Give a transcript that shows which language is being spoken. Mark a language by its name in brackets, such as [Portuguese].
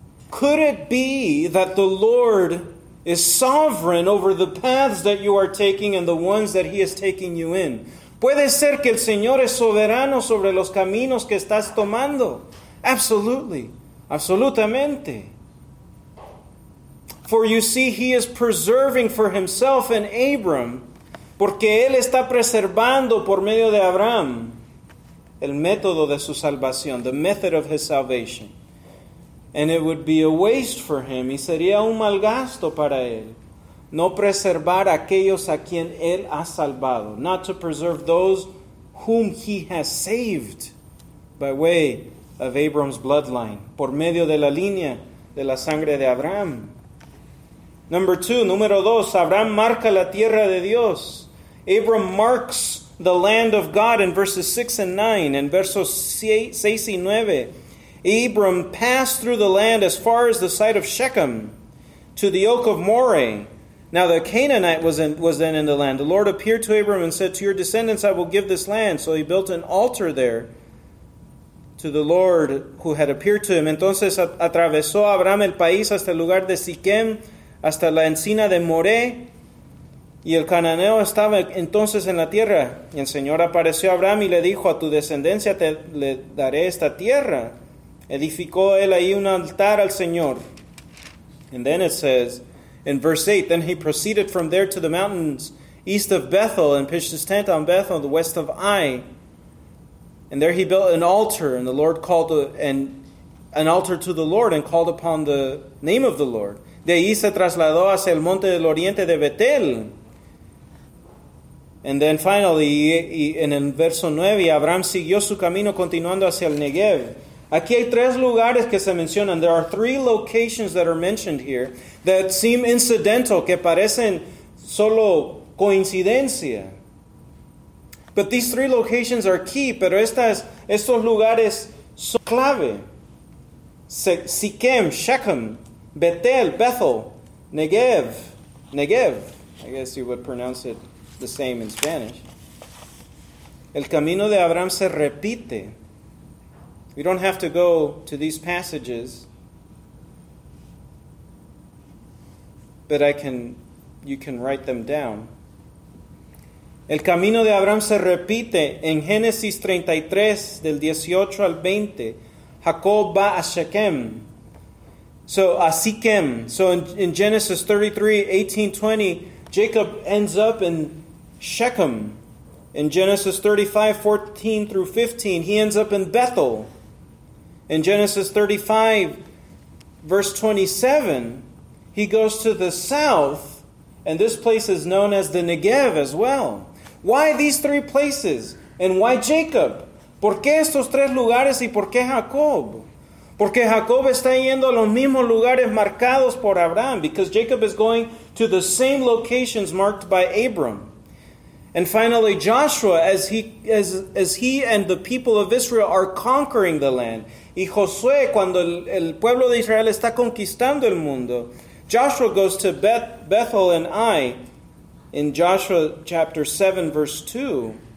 [English] Could it be that the Lord is sovereign over the paths that you are taking and the ones that he is taking you in? [Spanish] ¿Puede ser que el Señor es soberano sobre los caminos que estás tomando? [English] Absolutely. Absolutamente. For you see, he is preserving for himself and Abram, [Spanish] porque él está preservando por medio de Abraham el método de su salvación, [English] the method of his salvation. And it would be a waste for him, [Spanish] y sería un mal gasto para él, no preservar aquellos a quien él ha salvado, [English] not to preserve those whom he has saved by way of Abram's bloodline, [Spanish] por medio de la línea de la sangre de Abraham. [English] Number two, [Spanish] número dos, Abraham marca la tierra de Dios. [English] Abram marks the land of God in verses 6 and 9. In versos 6 y 9, Abram passed through the land as far as the site of Shechem, to the oak of Moreh. Now the Canaanite was then in the land. The Lord appeared to Abram and said, to your descendants I will give this land. So he built an altar there to the Lord who had appeared to him. [Spanish] Entonces atravesó Abraham el país hasta el lugar de Siquem, hasta la encina de Moreh. Y el cananeo estaba entonces en la tierra. Y el Señor apareció a Abraham y le dijo, a tu descendencia le daré esta tierra. Edificó él ahí un altar al Señor. [English] And then it says, in verse 8, then he proceeded from there to the mountains east of Bethel and pitched his tent on Bethel, the west of Ai. And there he built an altar, and the Lord called an altar to the Lord and called upon the name of the Lord. [Spanish] De ahí se trasladó hacia el monte del oriente de Betel. [English] And then finally, [Spanish] en el verso 9, Abraham siguió su camino continuando hacia el Negev. Aquí hay tres lugares que se mencionan. [English] There are three locations that are mentioned here that seem incidental, [Spanish] que parecen solo coincidencia. [English] But these three locations are key, [Spanish] pero estos lugares son clave. [English] Siquem, Shechem, Bethel, Bethel, Negev, Negev. I guess you would pronounce it the same in Spanish. [Spanish] El camino de Abraham se repite. [English] We don't have to go to these passages, but you can write them down. [Spanish] El camino de Abraham se repite en Génesis 33, del 18 al 20. Jacob va a Shechem. So, a Shechem. [English] So, in Genesis 33:18-20, Jacob ends up in Shechem. In Genesis 35:14-15, he ends up in Bethel. In Genesis 35, verse 27, he goes to the south, and this place is known as the Negev as well. Why these three places? And why Jacob? [Spanish] ¿Por qué estos tres lugares y por qué Jacob? Porque Jacob está yendo a los mismos lugares marcados por Abraham. [English] Because Jacob is going to the same locations marked by Abram. And finally, Joshua, as he and the people of Israel are conquering the land. [Spanish] Y Josué, cuando el pueblo de Israel está conquistando el mundo, [English] Joshua goes to Bethel and Ai in Joshua chapter 7, verse 2.